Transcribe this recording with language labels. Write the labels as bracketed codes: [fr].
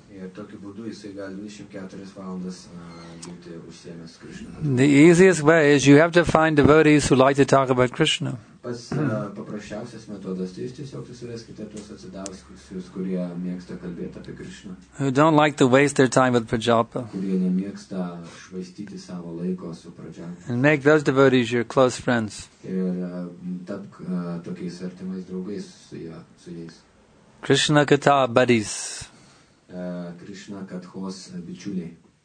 [lt] Ir tokiu būdu jisai gali 24 valandas būti užsiemęs Krishna. [en] The easiest way is you have to find devotees who like to talk about Krishna. [lt] Pas paprasčiausias metodas, tai jūs tiesiog susiraskite tuos atsidavusius, kurie mėgsta kalbėti apie Krishna. [en] Who don't like to waste their time with Prajapa. [lt] Kurie nemėgsta švaistyti savo laiko su Prajapa. [en] And make those devotees your close friends. [lt] Ir tapk tokiais artimais draugais su jais. [en] Krishna Katha buddies. [lt] Krishna Kathos bičiuliai.